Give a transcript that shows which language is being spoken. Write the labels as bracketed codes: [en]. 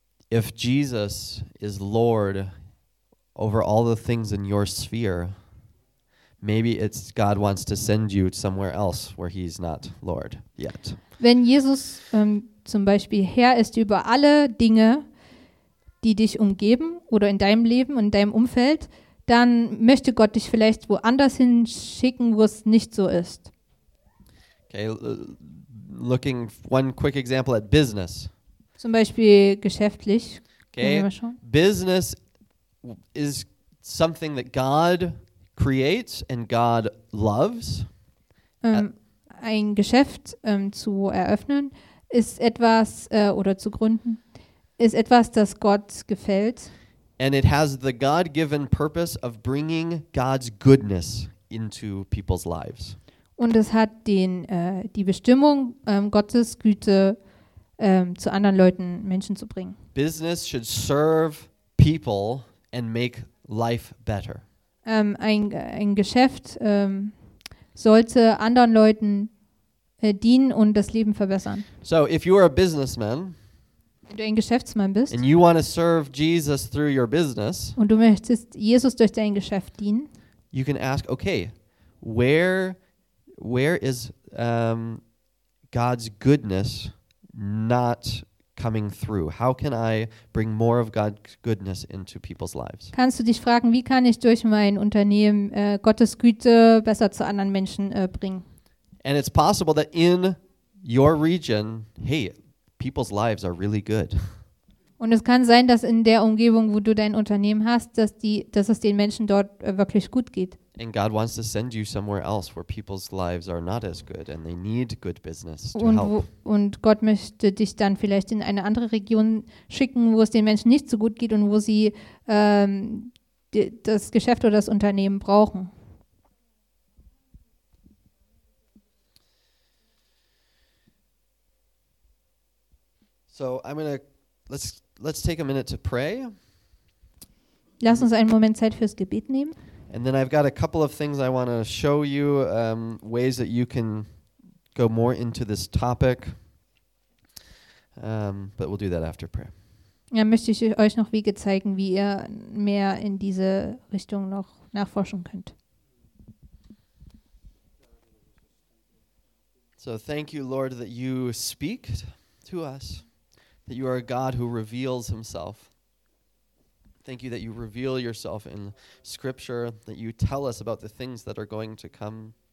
[en] If Jesus is Lord over all the things in your sphere, maybe it's God wants to send you somewhere else where he's not Lord yet. [de] Wenn Jesus zum Beispiel Herr ist über alle Dinge, die dich umgeben oder in deinem Leben und in deinem Umfeld, dann möchte Gott dich vielleicht woanders hinschicken, wo es nicht so ist. [en] Okay, looking one quick example at business. [de] Zum Beispiel geschäftlich. [en] Okay. Business is something that God creates and God loves. [de] Ein Geschäft zu eröffnen ist etwas oder zu gründen ist etwas, das Gott gefällt. [en] And it has the God-given purpose of bringing God's goodness into people's lives. [de] Und es hat die Bestimmung Gottes Güte zu anderen Leuten Menschen zu bringen. [en] Business should serve people and make life better. [de] Ein Geschäft sollte anderen Leuten dienen und das Leben verbessern. [en] So if you are a businessman, [de] wenn du ein Geschäftsmann bist [en] and you want to serve Jesus through your business, [de] und du möchtest Jesus durch dein Geschäft dienen, [en] you can ask, okay, where is God's goodness not coming through? How can I bring more of God's goodness into people's lives? [de] Kannst du dich fragen, wie kann ich durch mein Unternehmen Gottes Güte besser zu anderen Menschen bringen? [en] And it's possible that in your region, hey, people's lives are really good. [de] Und es kann sein, dass in der Umgebung, wo du dein Unternehmen hast, dass es den Menschen dort wirklich gut geht. [en] And God wants to send you somewhere else where people's lives are not as good and they need good business to [de] und [en] help. [de] Und Gott möchte dich dann vielleicht in eine andere Region schicken, wo es den Menschen nicht so gut geht und wo sie das Geschäft oder das Unternehmen brauchen. [en] So I'm going to let's take a minute to pray. [de] Lass uns einen Moment Zeit fürs Gebet nehmen. [en] And then I've got a couple of things I want to show you, ways that you can go more into this topic. But we'll do that after prayer. [de] Ja, möchte ich euch noch Wege zeigen, wie ihr mehr in diese Richtung noch nachforschen könnt. [en] So thank you, Lord, that you speak to us, that you are a God who reveals himself. Thank you that you reveal yourself in Scripture, that you tell us about the things that are going to come.